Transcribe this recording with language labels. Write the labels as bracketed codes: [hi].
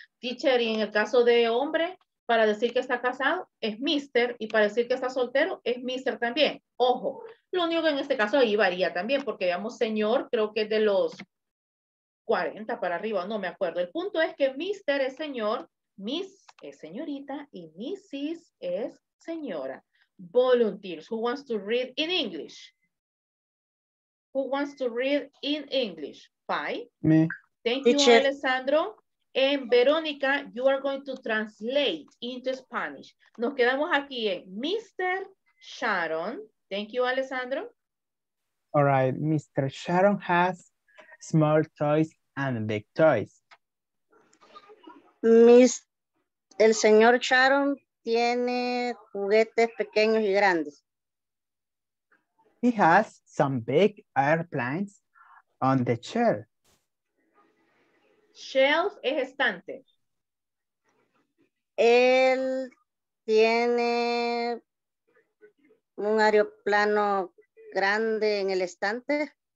[es] Teacher, y en el caso de hombre, para decir que está casado es Mister y para decir que está soltero es Mister también. Ojo, lo único que en este caso ahí varía también porque digamos señor creo que es de los 40 para arriba, no me acuerdo. El punto es que Mister es señor, Miss es señorita y Mrs. es señora. [en] Volunteers, who wants to read in English? Who wants to read in English? Five. Me. Thank you, teacher. Alessandro. And Veronica, you are going to translate into Spanish. [es] Nos quedamos aquí en Mr. Sharon. [en] Thank you, [es] Alessandro. [en] All right. Mr. Sharon has small toys and big toys. [es] El señor Sharon tiene juguetes pequeños y grandes. [en] He has some big airplanes on the shelf. [es] Shelf es estante. Él tiene un aeroplano grande en el estante.